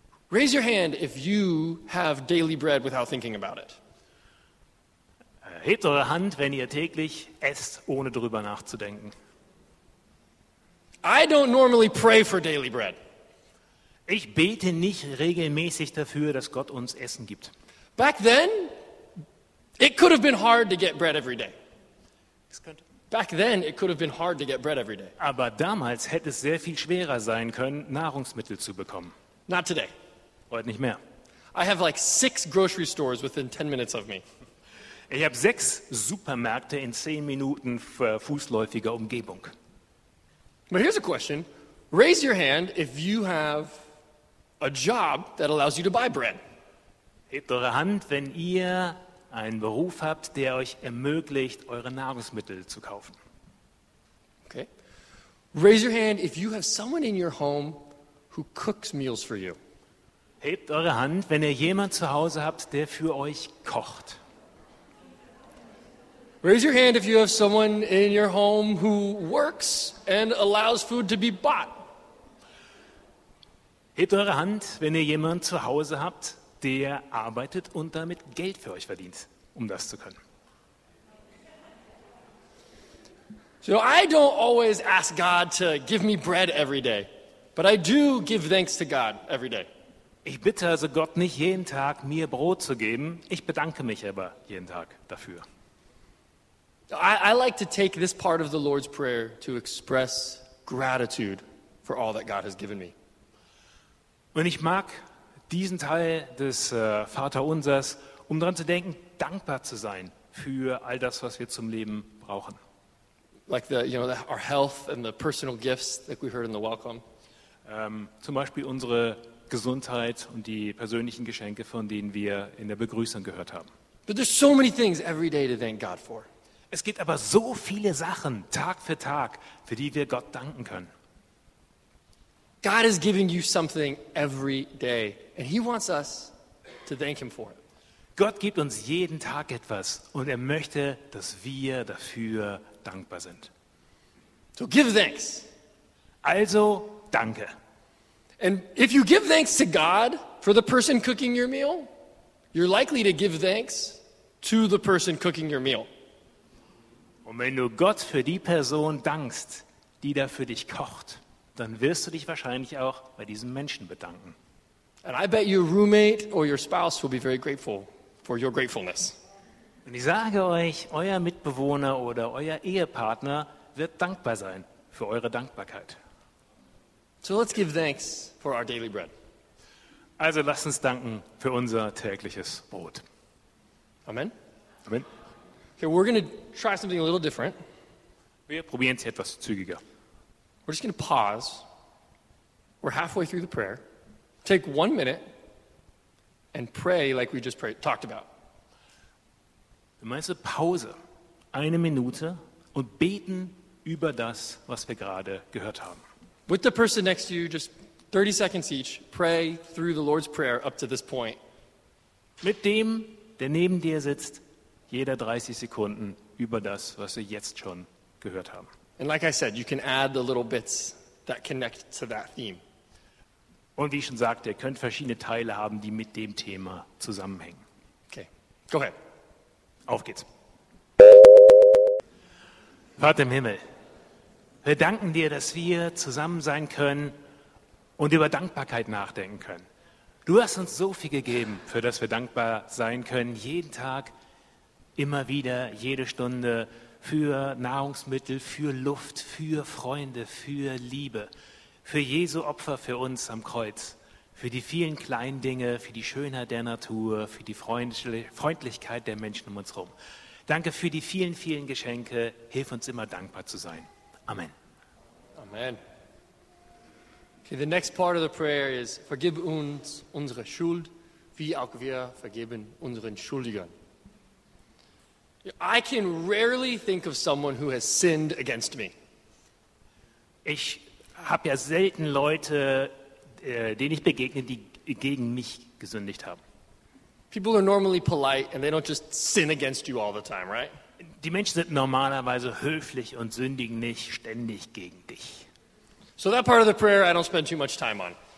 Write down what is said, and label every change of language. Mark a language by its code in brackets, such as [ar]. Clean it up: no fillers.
[en] Raise your hand if you have daily bread without thinking about it. [de] Hebt eure Hand, wenn ihr täglich esst, ohne darüber nachzudenken. [en] I don't normally pray for daily bread. [de] Ich bete nicht regelmäßig dafür, dass Gott uns Essen gibt. [en] Back then, it could have been hard to get bread every day. Back then, it could have been hard to get bread every day. [de] Aber damals hätte es sehr viel schwerer sein können, Nahrungsmittel zu bekommen. [en] Not today. [de] Heute nicht mehr. [en] I have like 6 grocery stores within 10 minutes of me. [de] Ich habe 6 Supermärkte in 10 Minuten fußläufiger Umgebung. [en] But here's a question. Raise your hand if you have a job that allows you to buy bread. [de] Hebt eure Hand, wenn ihr einen Beruf habt, der euch ermöglicht, eure Nahrungsmittel zu kaufen. [en] Okay. Raise your hand if you have someone in your home who cooks meals for you. [de] Hebt eure Hand, wenn ihr jemand zu Hause habt, der für euch kocht. [en] Raise your hand if you have someone in your home who works and allows food to be bought. [de] Hebt eure Hand, wenn ihr jemand zu Hause habt, der arbeitet und damit Geld für euch verdient, um das zu können. [en] So I don't always ask God to give me bread every day, but I do give thanks to God every day. [de] Ich bitte also Gott nicht jeden Tag, mir Brot zu geben. Ich bedanke mich aber jeden Tag dafür. [en] I like to take this part of the Lord's Prayer to express gratitude for all that God has given me. [de] Und ich mag diesen Teil des Vaterunsers, um daran zu denken, dankbar zu sein für all das, was wir zum Leben brauchen. [en] Like the, you know, the, our health and the personal gifts that we heard in the welcome. [de] Zum Beispiel unsere Gesundheit und die persönlichen Geschenke, von denen wir in der Begrüßung gehört haben. [en] But there's so many things every day to thank God for. [de] Es gibt aber so viele Sachen Tag für Tag, für die wir Gott danken können. [en] God is giving you something every day, and He wants us to thank Him for it. [de] Gott gibt uns jeden Tag etwas, und er möchte, dass wir dafür dankbar sind. [en] So give thanks. [de] Also danke. [en] And if you give thanks to God for the person cooking your meal, you're likely to give thanks to the person cooking your meal. [de] Und wenn du Gott für die Person dankst, die da für dich kocht, dann wirst du dich wahrscheinlich auch bei diesem Menschen bedanken. [en] And I bet your roommate or your spouse will be very grateful for your gratefulness. [de] Und ich sage euch, euer Mitbewohner oder euer Ehepartner wird dankbar sein für eure Dankbarkeit. [en] So let's give thanks for our daily bread. [de] Also lasst uns danken für unser tägliches Brot. Amen. Amen. [en] Okay, we're going to try something a little different. [de] Wir probieren es etwas zügiger. [en] We're just going to pause. We're halfway through the prayer. Take 1 minute and pray like we just prayed, talked about. [de] Du meinst Pause, eine Minute und beten über das, was wir gerade gehört haben. [en] With the person next to you, just 30 seconds each, pray through the Lord's Prayer up to this point. [de] Mit dem, der neben dir sitzt, jeder 30 Sekunden über das, was wir jetzt schon gehört haben. [en] And like I said, you can add the little bits that connect to that theme. [de] Und wie ich schon sagte, ihr könnt verschiedene Teile haben, die mit dem Thema zusammenhängen. [en] Okay, go ahead. [de] Auf geht's. Vater im Himmel, wir danken dir, dass wir zusammen sein können und über Dankbarkeit nachdenken können. Du hast uns so viel gegeben, für das wir dankbar sein können, jeden Tag, immer wieder, jede Stunde, für Nahrungsmittel, für Luft, für Freunde, für Liebe, für Jesu Opfer für uns am Kreuz, für die vielen kleinen Dinge, für die Schönheit der Natur, für die Freundlichkeit der Menschen um uns herum. Danke für die vielen, vielen Geschenke. Hilf uns immer dankbar zu sein. Amen. Amen. [en] Okay, the next part of the prayer is, [de] vergib uns unsere Schuld, wie auch wir vergeben unseren Schuldigern. [en] I can rarely think of someone who has sinned against me. [de] Ich habe ja selten Leute, denen ich begegne, die gegen mich gesündigt haben. [en] People are normally polite and they don't just sin against you all the time, right? [de] Die Menschen sind normalerweise höflich und sündigen nicht ständig gegen dich. [en] So that part of the prayer I don't spend too much time on.